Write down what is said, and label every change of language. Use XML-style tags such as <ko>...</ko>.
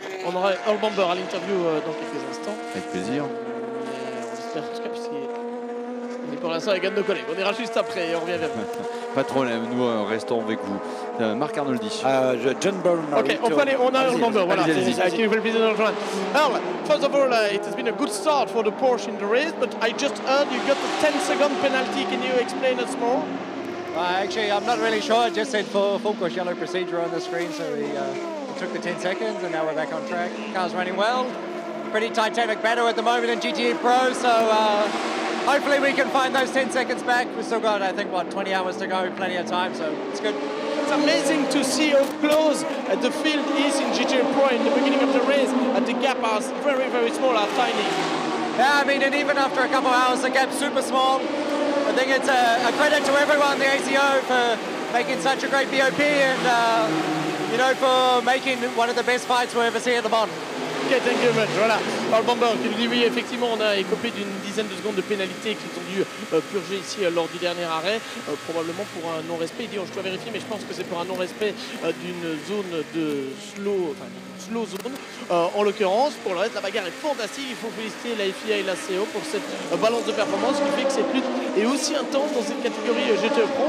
<fr>On aura Earl Bomber à l'interview dans quelques instants. Avec plaisir. J'espère que mais pour l'instant, elle gagne de coller. On ira juste après et on revient vers vous. Pas de problème, nous restons avec vous. Marc Arnoldi. John Burnham. Ok, on peut aller, on a le nombre. Voilà, allez-y, allez-y.</fr> <en>Can you please join? Earl, first of all, it has been a good start for the Porsche in the race, but I just heard you got the 10-second penalty. Can you explain us more? Actually, I'm not really sure. I just said focus yellow procedure on the screen, so we took the 10 seconds and now we're back on track. Car's running well. Pretty titanic battle at the moment in GTE Pro, so hopefully we can find those 10 seconds back. We've still got, I think, 20 hours to go, plenty of time, so it's good. It's amazing to see how close the field is in GTE Pro in the beginning of the race, and the gap is very, very small, are tiny. Yeah, I mean, and even after a couple of hours, the gap's super small. I think it's a credit to everyone, the ACO, for making such a great BOP and, you know, for making one of the best fights we'll ever see at the bottom. Ok, thank you much. Voilà.</en> <fr>Paul Bamber qui nous dit oui, effectivement, on a écopé d'une dizaine de secondes de pénalité qu'ils ont dû purger ici lors du dernier arrêt, probablement pour un non-respect. Il dit, je dois vérifier, mais je pense que c'est pour un non-respect d'une zone de slow, enfin une slow zone. En l'occurrence, pour le reste, la bagarre est fantastique. Il faut féliciter la FIA et la CO pour cette balance de performance qui fait que cette lutte est aussi intense dans cette catégorie GTE Pro.</fr>